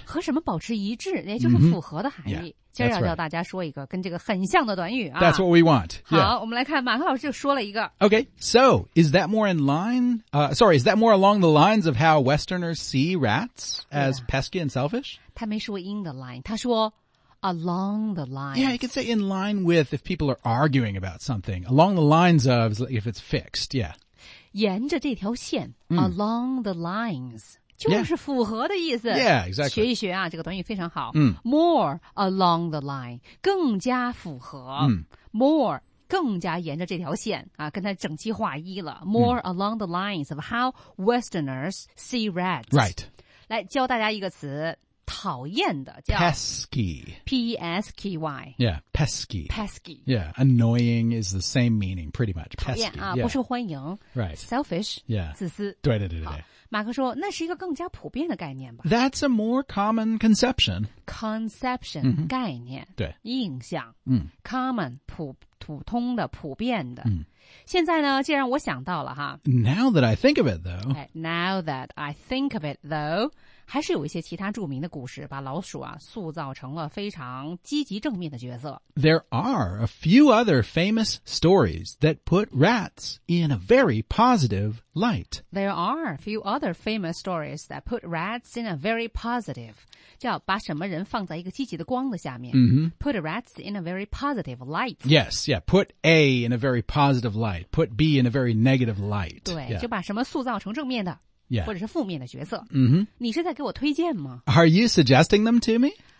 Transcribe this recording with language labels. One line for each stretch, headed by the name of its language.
Chinese: 和什么保持一致也就是符合的含义。
English: Mm-hmm. Yeah,
Chinese: 今儿要教大家说一个跟这个很像的短语、啊。
English: That's what we want.、Yeah.
Chinese: 好我们来看马克老师就说了一个。
English: Okay, so, is that more in line, is that more along the lines of how Westerners see rats as、yeah. pesky and selfish?
Chinese: 他没说 in the line, 他说
English: Along the lines. Yeah, you could say in line with if people are arguing about something. Along the lines of if it's fixed, yeah.
Chinese: 沿着这条线、mm.
English: along the lines,
Chinese: 就是符合的意思。
English: Yeah, yeah exactly.
Chinese: 学一学啊这个短语非常好。 Mm.
English: More along the line,
Chinese: 更加符合。 Mm. More, 更加沿着这条线啊跟它整齐划一了。More、mm.
English: along the lines of how Westerners see rats. Right.
Chinese: 来教大家一个词。讨厌的叫
English: pesky, P-E-S-K-Y. Yeah, pesky. Pesky. Yeah, annoying is the same meaning, pretty much.
Chinese: 讨厌
English: pesky, 啊、 yeah.
Chinese: 不受欢迎。
English: Right. Selfish. Yeah.
Chinese: 自私。对对对对对。马克说那是一个更加普遍的概念吧。
English: That's a more common conception. Conception,、mm-hmm. 概念。
Chinese: 对。印象。嗯。 Common, 普通的普遍的。嗯。现在呢既然我想到了哈。
English: Now that I think of it though. Okay, now that I think of it though.
Chinese: 还是有一些其他著名的故事把老鼠啊塑造成了非常积极正面的角色。
English: There are a few other famous stories that put rats in a very positive light. There are a few other famous stories that put rats in a very positive.
Chinese: 叫把什么人放在一个积极的光的下面。 Mm-hmm.
English: Put rats in a very positive light. Yes, yeah, put A in a very positive light. Put B in a very negative light.
Chinese: 对、
English: yeah.
Chinese: 就把什么塑造成正面的。
English: Yeah.
Chinese: 或者是负面的角色。 Mm-hmm. 你是在给我推荐吗
English: ?Are you suggesting them to me?